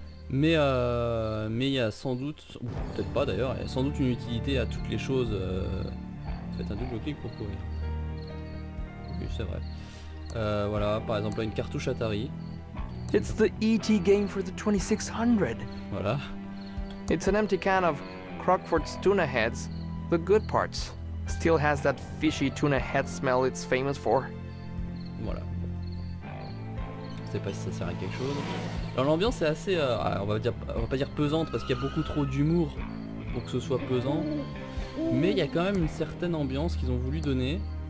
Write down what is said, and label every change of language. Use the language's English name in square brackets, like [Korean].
[French] Mais il y a sans doute, ou peut-être pas d'ailleurs, il y a sans doute une utilité à toutes les choses. Faites un double clic pour courir. Oui, c'est vrai. Voilà, par exemple, une cartouche Atari. [English] It's the ET game for the 2600. [French] Voilà. [English] It's an empty can of Crockford's tuna heads, the good parts. Still has that fishy tuna head smell it's famous for. [French] Voilà. Je sais pas si ça sert à quelque chose. Alors l'ambiance est assez, on va pas dire pesante parce qu'il y a beaucoup trop d'humour pour que ce soit pesant. Mais il y a quand même une certaine ambiance qu'ils ont voulu donner.